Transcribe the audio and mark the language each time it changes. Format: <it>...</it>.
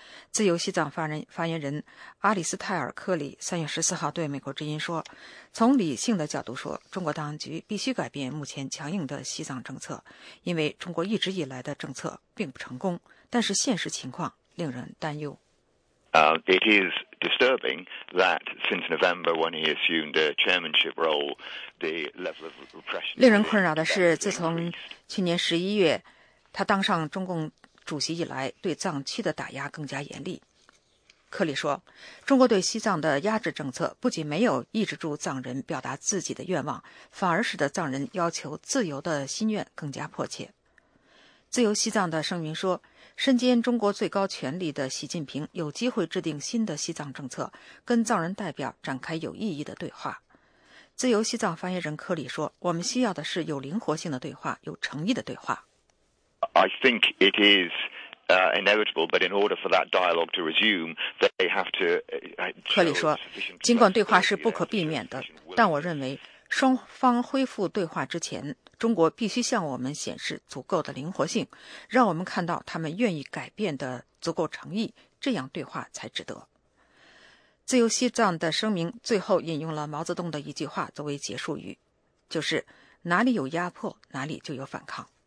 <zh>自由西藏发言人阿里斯泰尔·克里3月14号对美国之音说，从理性的角度说，中国当局必须改变目前强硬的西藏政策，因为中国一直以来的政策并不成功，但是现实情况令人担忧。</zh> <en>It is disturbing that since November, when he assumed a chairmanship role, the level of repression.</en> <zh>令人困扰的是，自从去年11月他当上中共主席以来，对藏区的打压更加严厉。克里说，中国对西藏的压制政策不仅没有抑制住藏人表达自己的愿望，反而使得藏人要求自由的心愿更加迫切。自由西藏的声明说，身兼中国最高权力的习近平有机会制定新的西藏政策，跟藏人代表展开有意义的对话。自由西藏发言人科里说，我们需要的是有灵活性的对话，有诚意的对话。</zh> <en>I think it is inevitable, but in order for that dialogue to resume, they have to.</en> <zh>科里说，尽管对话是不可避免的，但我认为双方恢复对话之前，中国必须向我们显示足够的灵活性，让我们看到他们愿意改变的足够诚意，这样对话才值得。自由西藏的声明最后引用了毛泽东的一句话作为结束语，就是哪里有压迫，哪里就有反抗。</zh>